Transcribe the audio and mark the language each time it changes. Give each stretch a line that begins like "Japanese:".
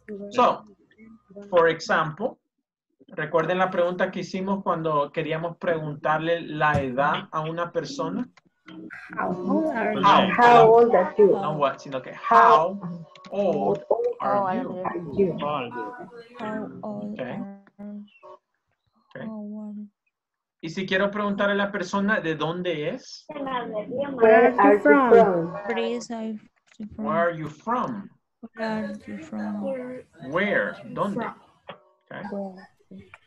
English: So, for example,
Spanish: recuerden la pregunta que hicimos cuando queríamos preguntarle la edad a una persona.
English: How old are you? How old are you? No, what,
Spanish: sino que
English: how old are you? How old are you? Okay. Okay.
Spanish: Y si quiero preguntar a la persona de dónde es.
English: Where are you from? Where are you from? Where are you from? Where are you from? Where?
Spanish: ¿Dónde?
English: Okay.